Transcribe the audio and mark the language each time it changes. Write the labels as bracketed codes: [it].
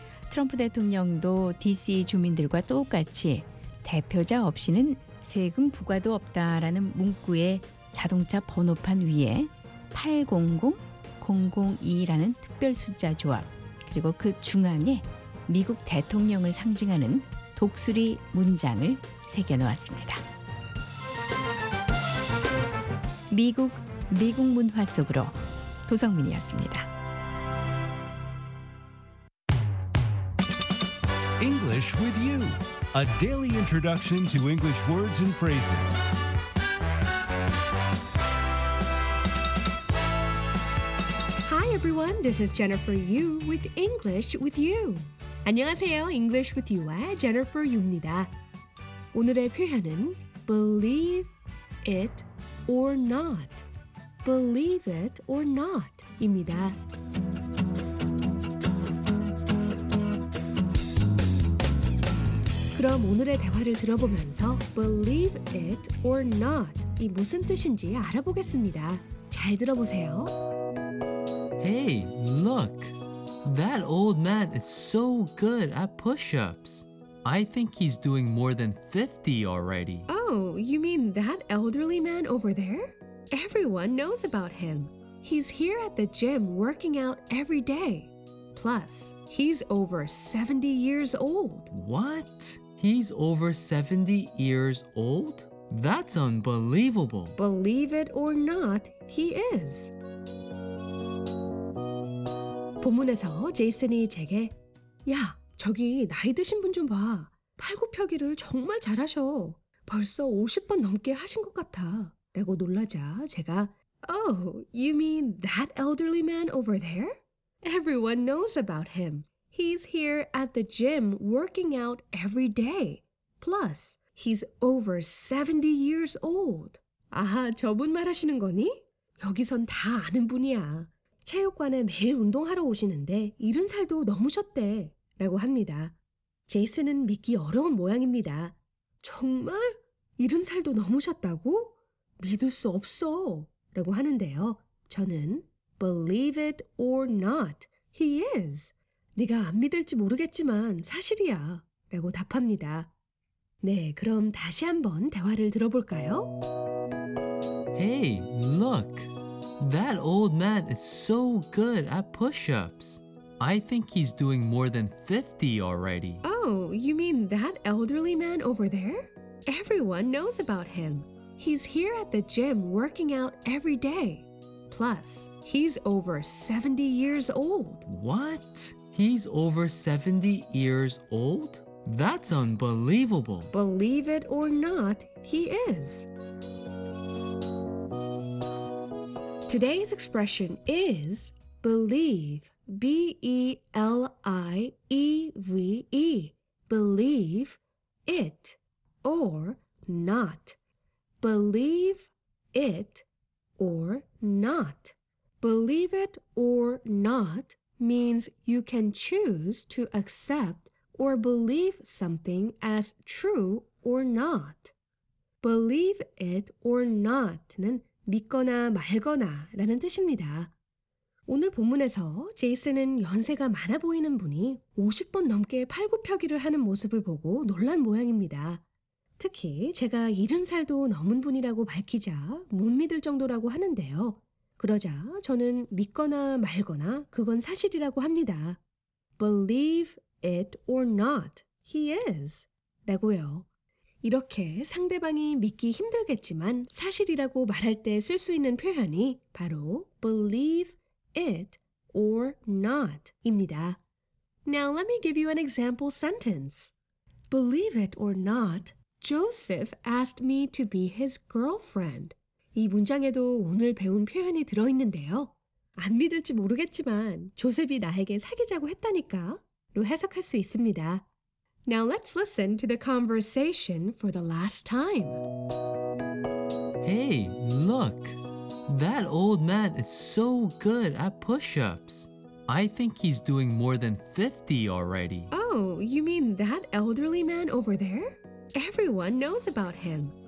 [ko] 트럼프 대통령도 DC 주민들과 똑같이 대표자 없이는 세금 부과도 없다라는 문구의 자동차 번호판 위에 800002라는 특별 숫자 조합, 그리고 그 중앙에 미국 대통령을 상징하는 독수리 문장을 새겨놓았습니다. 미국, 미국 문화 속으로, 도성민이었습니다. [en] English with you, a daily introduction to English words and phrases. [ko] 여러분, [en] this is Jennifer Yu with English with you. [ko] 안녕하세요, English with you와 Jennifer Yu입니다. 오늘의 표현은 believe it or not, believe it or not입니다. 그럼 오늘의 대화를 들어보면서 believe it or not 이 무슨 뜻인지 알아보겠습니다. 잘 들어보세요. [en] Hey, look. That old man is so good at push-ups. I think he's doing more than 50 already. Oh, you mean that elderly man over there? Everyone knows about him. He's here at the gym working out every day. Plus, he's over 70 years old. What? He's over 70 years old? That's unbelievable. Believe it or not, he is. [ko] 본문에서 제이슨이 제게 야, 저기 나이 드신 분 좀 봐. 팔굽혀기를 정말 잘하셔. 벌써 50번 넘게 하신 것 같아. 라고 놀라자 제가 [en] Oh, you mean that elderly man over there? Everyone knows about him. He's here at the gym working out every day. Plus, he's over 70 years old. [ko] 아하, 저분 말하시는 거니? 여기선 다 아는 분이야. 체육관에 매일 운동하러 오시는데 70살도 넘으셨대 라고 합니다. 제이슨은 믿기 어려운 모양입니다. 정말? 70살도 넘으셨다고? 믿을 수 없어 라고 하는데요. 저는 [en] Believe it or not, he is. [ko] 네가 안 믿을지 모르겠지만 사실이야 라고 답합니다. 네, 그럼 다시 한번 대화를 들어볼까요? [en] Hey, look. That old man is so good at push-ups. I think he's doing more than 50 already. Oh, you mean that elderly man over there? Everyone knows about him. He's here at the gym working out every day. Plus, he's over 70 years old. What? He's over 70 years old? That's unbelievable. Believe it or not, he is. Today's expression is believe, B-E-L-I-E-V-E, believe it or not, believe it or not. Believe it or not means you can choose to accept or believe something as true or not. [ko] Believe it or not는 믿거나 말거나 라는 뜻입니다. 오늘 본문에서 제이슨은 연세가 많아 보이는 분이 50번 넘게 팔굽혀기를 하는 모습을 보고 놀란 모양입니다. 특히 제가 70살도 넘은 분이라고 밝히자 못 믿을 정도라고 하는데요. 그러자 저는 믿거나 말거나 그건 사실이라고 합니다. [en] Believe it or not, he is. [ko] 라고요. 이렇게 상대방이 믿기 힘들겠지만 사실이라고 말할 때 쓸 수 있는 표현이 바로 believe it or not 입니다. [en] Now let me give you an example sentence. Believe it or not, Joseph asked me to be his girlfriend. [ko] 이 문장에도 오늘 배운 표현이 들어있는데요. 안 믿을지 모르겠지만 조셉이 나에게 사귀자고 했다니까 로 해석할 수 있습니다. [en] Now let's listen to the conversation for the last time. Hey, look. That old man is so good at push-ups. I think he's doing more than 50 already. Oh, you mean that elderly man over there? Everyone knows about him.